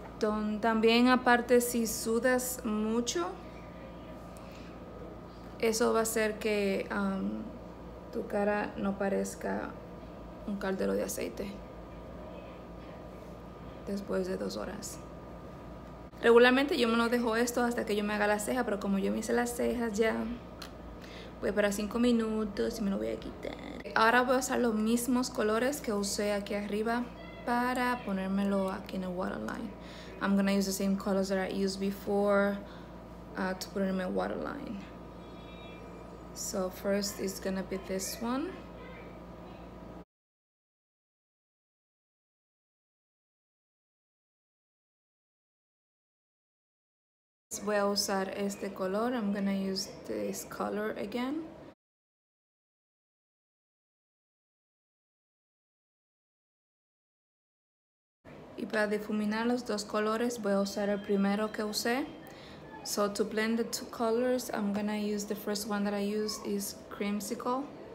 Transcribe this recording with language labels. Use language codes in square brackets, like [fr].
[es] montón. También, aparte, si sudas mucho, eso va a hacer que tu cara no parezca un caldero de aceite después de 2 horas. Regularmente yo me lo dejo esto hasta que yo me haga la ceja, pero como yo me hice las cejas ya, voy a esperar 5 minutos y me lo voy a quitar. Ahora voy a usar los mismos colores que usé aquí arriba para ponérmelo aquí en el waterline. [en] I'm gonna use the same colors that I used before to put in my waterline. So first it's gonna be this one. [es] Voy a usar este color. [en] I'm gonna use this color again. [es] Y para difuminar los dos colores, voy a usar el primero que usé. [en] So to blend the two colors, I'm gonna use the first one that I used is creamsicle.